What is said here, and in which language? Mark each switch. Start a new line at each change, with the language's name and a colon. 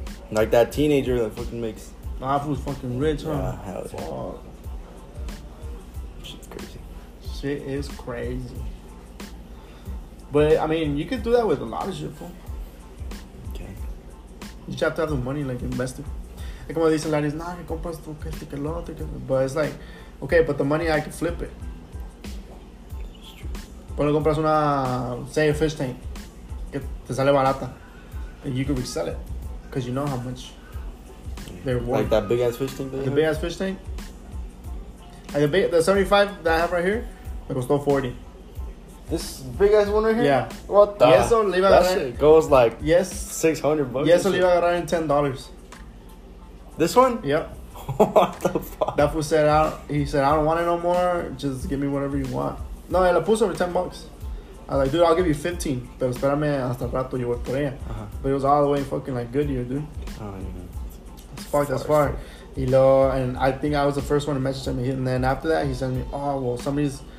English: Like that teenager that fucking makes... Nah, that fool's fucking rich, huh? Yeah, hell yeah. Shit is crazy. But, I mean, you could do that with a lot of shit, fool. You just have to have the money, like, invested.
Spanish: Like, como dicen, like, nah, que compras tu, que este, que lo otro, que...
English: But it's like, okay, but the money, I can flip it. It's true.
Spanish: Pero compras una,
English: say, a fish tank,
Spanish: que te sale barata.
English: And you can resell it. Because you know how much they're worth. Like that big-ass fish tank? The big-ass fish tank? Like the 75 that I have right here,
Spanish: me costó 40.
English: This big ass one right here? Yeah. What the? Yes, that shit goes like $600. Yes, Oliva got around $10. This one? Yep. What the fuck? That fool said, he said, I don't want it no more. Just give me whatever you want. No, I
Spanish: la puso
English: for $10. I was like, dude, I'll give you 15.
Spanish: Pero espérame hasta rato yo voy por ella.
English: But it was all the way fucking like Goodyear, dude. Oh, yeah. That's far.
Spanish: Y lo,
English: and I think I was the first one to message him. And then after that, he sent me, oh, well, somebody